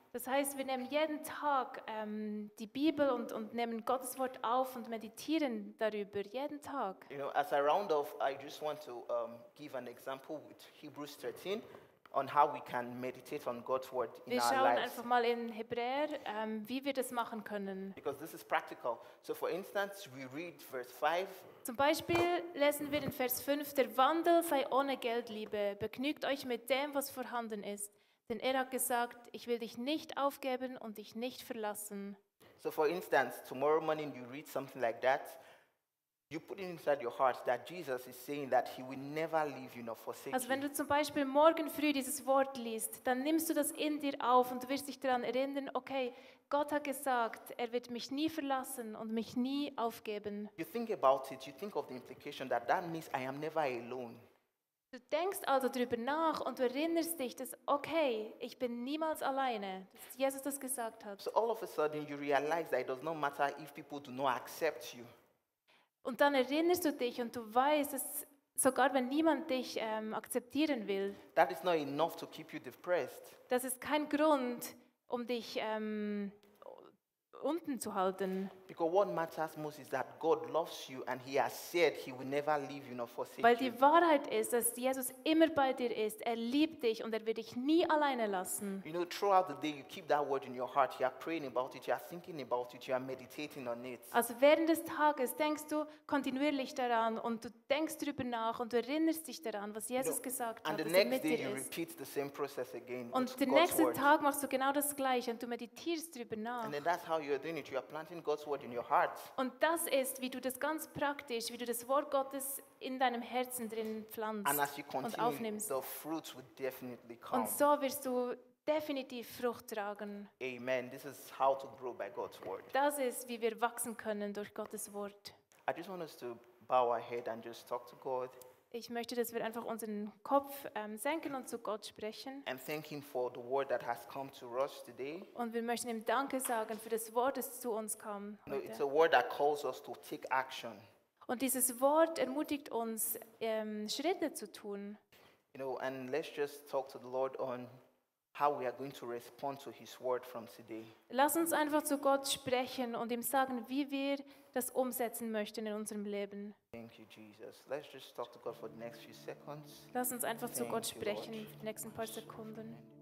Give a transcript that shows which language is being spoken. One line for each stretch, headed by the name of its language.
German: Das heißt, wir nehmen jeden Tag die Bibel und nehmen Gottes Wort auf und meditieren darüber jeden Tag.
English: You know, as I round off, I just want to give an example with Hebrews 13 on how we can meditate on God's word in our lives.
German: Wir schauen einfach mal in Hebräer, wie wir das machen können.
English: Because this is practical. So for instance, we read verse 5.
German: Zum Beispiel lesen wir in Vers 5: Der Wandel sei ohne Geld, Liebe. Begnügt euch mit dem, was vorhanden ist. Denn er hat gesagt, ich will dich nicht aufgeben und dich nicht verlassen.
English: So for instance, tomorrow morning you read something like that, you put it inside your heart that Jesus is saying that he will never leave you nor forsake you.
German: Also wenn du zum Beispiel morgen früh dieses Wort liest, dann nimmst du das in dir auf und du wirst dich daran erinnern, okay, Gott hat gesagt, er wird mich nie verlassen und mich nie aufgeben.
English: You think about it, you think of the implication that means I am never alone.
German: Du denkst also darüber nach und du erinnerst dich, dass okay, ich bin niemals alleine, dass Jesus das gesagt hat.
English: So all of a sudden you realize that it does not matter if people do not accept you.
German: Und dann erinnerst du dich und du weißt, dass sogar wenn niemand dich akzeptieren will,
English: that is not enough to keep you depressed.
German: Das ist kein Grund, um dich unten zu halten.
English: Because what matters most is that God loves you and he has said he will never leave you nor forsake you.
German: Weil die Wahrheit ist, dass Jesus immer bei dir ist. Er liebt dich und er wird dich nie alleine lassen.
English: You know, throughout the day you keep that word in your heart. You are praying about it, you are thinking about it, you are meditating on it.
German: Also während des Tages denkst du kontinuierlich daran und du denkst darüber nach und du erinnerst dich daran, was Jesus gesagt hat, dass er mit dir ist.
English: And the next day you repeat the same process again.
German: Und den nächsten Tag machst du genau das gleiche und du meditierst darüber nach.
English: And then that's how you are doing it. You are planting God's word in your heart.
German: Und das ist, wie du das ganz praktisch, wie du das Wort Gottes in deinem Herzen drin pflanzt
English: and as you continue,
German: und aufnimmst.
English: The fruits will definitely come.
German: Und so wirst du definitiv Frucht tragen. Amen.
English: This is how to grow by God's word.
German: Das ist, wie wir wachsen können durch Gottes Wort.
English: I just want us to bow our head and just talk to God.
German: Ich möchte, dass wir einfach unseren Kopf senken und zu Gott sprechen.
English: And thank him for the word that has come to us today.
German: Und wir möchten ihm Danke sagen für das Wort, das zu uns kam.
English: No, it's a word that calls us to take action.
German: Und dieses Wort ermutigt uns, Schritte zu tun.
English: You know, and let's just talk to the Lord on how we are going to respond to his word from today.
German: Lass uns einfach zu Gott sprechen und ihm sagen, wie wir das umsetzen möchten in unserem Leben.
English: Thank you, Jesus. Let's just talk to God for the next few seconds.
German: Lass uns einfach zu Gott sprechen für die nächsten paar Sekunden.